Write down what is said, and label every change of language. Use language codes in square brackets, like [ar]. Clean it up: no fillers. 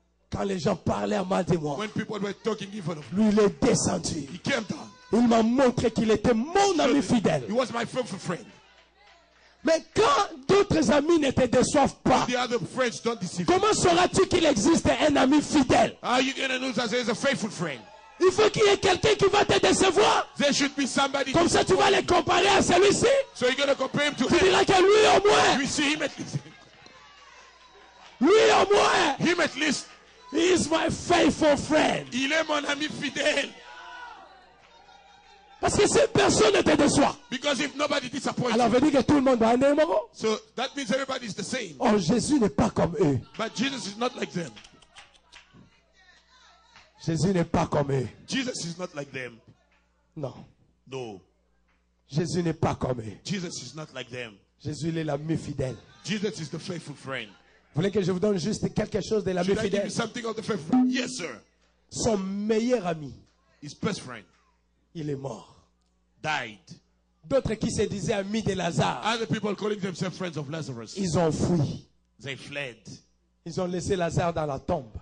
[fr] Quand les gens parlaient mal de moi. [en] When people were talking evil of me. [fr] Lui, il est descendu. [en] He came down. [fr] Il m'a montré qu'il était mon ami fidèle. [en] He was my friend. [fr] Mais quand d'autres amis ne te déçoivent pas, [en] the other friends don't deceive [fr] comment sauras-tu qu'il existe un ami fidèle? [en] How are you gonna know that there is a faithful friend? [fr] Il faut qu'il y ait quelqu'un qui va te décevoir. [en] There should be somebody. [fr] Comme ça, tu vas les comparer à celui-ci. [en] So you're gonna compare him to him. [fr] Tu diras que lui au moins. [en] We see him at least. [fr] Lui au moins. [en] Him at least. He is my faithful friend. [fr] Il est mon ami fidèle. Parce que si personne ne te déçoit. [en] Because if nobody disappoints. [fr] Alors veut dire que tout le monde va aller au moins. [en] So that means everybody is the same. [fr] Oh, Jésus n'est pas comme eux. [en] But Jesus is not like them. [fr] Jésus n'est pas comme eux. [en] Jesus is not like them. [fr] Non. [en] No. [fr] Jésus n'est pas comme eux. [en] Jesus is not like them. [fr] Jésus est l'ami fidèle. [en] Jesus is the faithful friend. [fr] Vous voulez que je vous donne juste quelque chose de l'ami fidèle? [en] Should I give you something of the faithful friend? Yes, sir. [fr] Son meilleur ami. [en] His best friend. [fr] Il est mort. [en] Died. [fr] D'autres qui se disaient amis de Lazare. [en] Other people calling themselves friends of Lazarus. [fr] Ils ont fui. [en] They fled. [fr] Ils ont laissé Lazare dans la tombe.